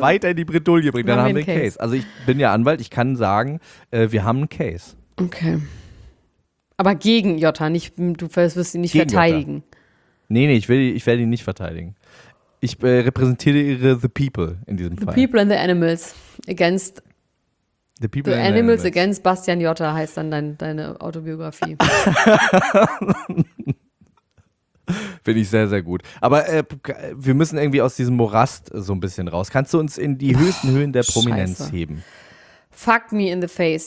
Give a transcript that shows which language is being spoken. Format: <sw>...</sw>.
<de>weiter in die Bredouille bringen. Dann haben wir einen Case. Also ich bin ja Anwalt, ich kann sagen, wir haben einen Case. Okay. Aber gegen Jotta, nicht, du wirst ihn nicht gegen verteidigen. Jotta. Nee, ich werde ihn nicht verteidigen. Ich repräsentiere The People in diesem Fall. The People and the Animals against The People the Animals, Animals Against Bastian Jotta heißt dann deine Autobiografie. Finde ich sehr, sehr gut. Aber wir müssen irgendwie aus diesem Morast so ein bisschen raus. Kannst du uns in die höchsten Höhen der Prominenz heben?</de> <en>Fuck me in the face.</en>